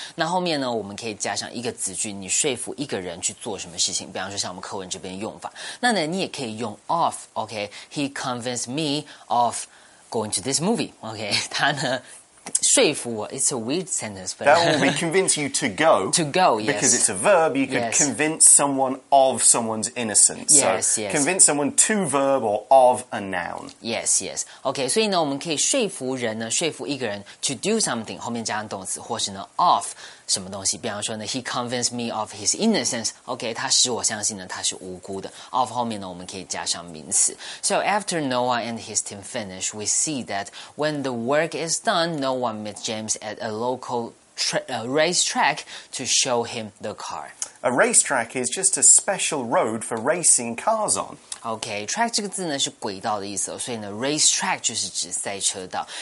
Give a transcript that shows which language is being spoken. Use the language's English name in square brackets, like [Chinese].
[Chinese] 那后面呢，我们可以加上一个子句，你说服一个人去做什么事情。比方说，像我们课文这边用法，那呢，你也可以用 of. [English] Okay, he convinced me of going to this movie. Okay, [Chinese] 他呢。说服我 [English] it's a weird sentence, but... That will be convince you to go. To go, yes. Because it's a verb, you could convince someone of someone's innocence. Yes, so, yes. Convince someone to verb or of a noun. Yes, yes. [Chinese] Okay, 所以呢我们可以说服人呢说服一个人 [English] to do something, [Chinese] 后面加上动词或是呢 of... 什么东西？比方说呢 ， [English] He convinced me of his innocence. [Chinese] Okay, 他使我相信呢，他是无辜的。 Of 后面呢，我们可以加上名词。 [English] So after Noah and his team finish, we see that when the work is done, no one meets James at a local racetrack to show him the car. A racetrack is just a special road for racing cars on. [Chinese] Okay, track 这个字呢是轨道的意思，所以呢 racetrack 就是指赛车道。